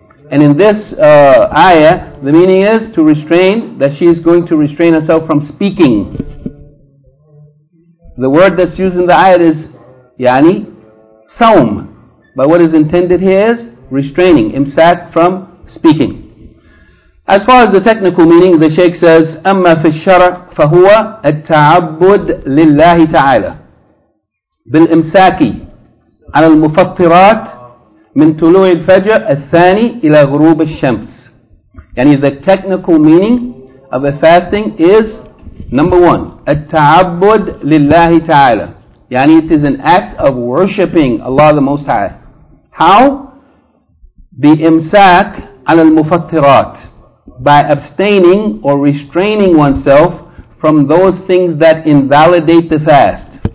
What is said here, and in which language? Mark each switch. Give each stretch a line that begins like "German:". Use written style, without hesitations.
English: And in this ayah, the meaning is to restrain, that she is going to restrain herself from speaking. The word that's used in the ayah is yani sawm, but what is intended here is restraining, imsak, from speaking. As far as the technical meaning, the Shaykh says,
Arabic: أَمَّا فِي الشَّرَعِ فَهُوَ التَّعَبُّدْ لِلَّهِ تَعَالَى بِالْإِمْسَاكِ عَلَى الْمُفَطِّرَاتِ مِنْ تُلُوعِ الْفَجْرِ الثَّانِي إِلَى غُرُوبِ الشَّمْسِ.
English: Yani the technical meaning of a fasting is, number one,
Arabic: التَّعَبُّدْ لِلَّهِ تَعَالَى.
English: Yani it is an act of worshipping Allah the Most High. How?
Arabic: بِإِمْسَاكِ عَلَى الْمُفَطِّرَاتِ,
English: by abstaining or restraining oneself from those things that invalidate the fast.